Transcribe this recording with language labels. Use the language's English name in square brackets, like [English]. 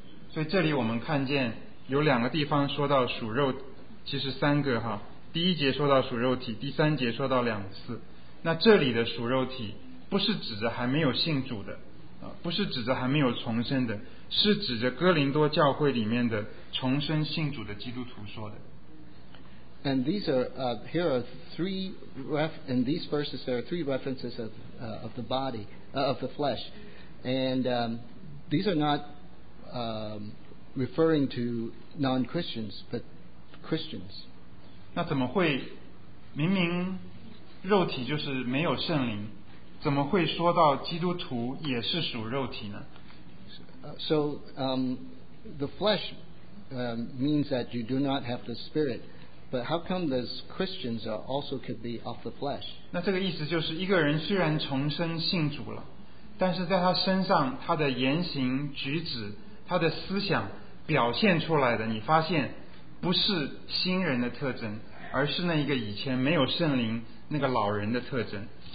[Chinese] 所以这里我们看见有两个地方说到属肉，其实三个哈。第一节说到属肉体，第三节说到两次。那这里的属肉体不是指着还没有信主的，不是指着还没有重生的，是指着哥林多教会里面的重生信主的基督徒说的。 [English] And these are here are three in these verses there are three references of the body of the flesh, and these are not referring to non-Christians but Christians. [Chinese] 那怎么会明明肉体就是没有圣灵，怎么会说到基督徒也是属肉体呢？ [English] So the flesh means that you do not have the spirit, but how come those Christians are also could be of the flesh? [Chinese] 那这个意思就是一个人虽然重生信主了，但是在他身上他的言行举止他的思想表现出来的，你发现不是新人的特征，而是那一个以前没有圣灵那个老人的特征。